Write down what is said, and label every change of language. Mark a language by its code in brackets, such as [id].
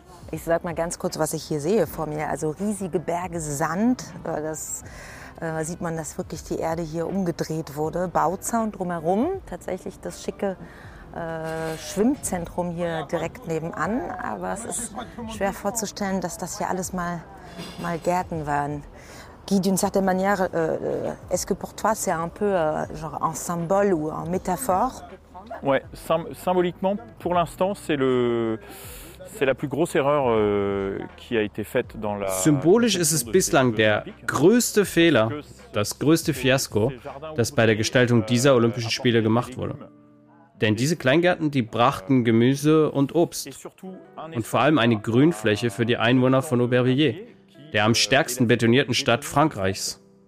[de] Ich sag mal ganz kurz, was ich hier sehe vor mir. Also riesige Berge Sand, das sieht man, dass wirklich die Erde hier umgedreht wurde. Bauzaun drumherum, tatsächlich das schicke Schwimmzentrum hier direkt nebenan. Aber es ist schwer vorzustellen, dass das hier alles mal Gärten waren. [fr] Qui d'une certaine manière, est-ce que pour toi c'est un peu genre un symbole ou un métaphore? Ouais, symboliquement, pour l'instant, c'est le c'est la plus grosse erreur qui a été faite dans la. [de] Symbolisch ist es bislang der größte Fehler, das größte Fiasko, das bei der Gestaltung dieser Olympischen Spiele gemacht wurde. Denn diese Kleingärten, die brachten Gemüse und Obst und vor allem eine Grünfläche für die Einwohner von Aubervilliers, der am stärksten betonierten Stadt Frankreichs.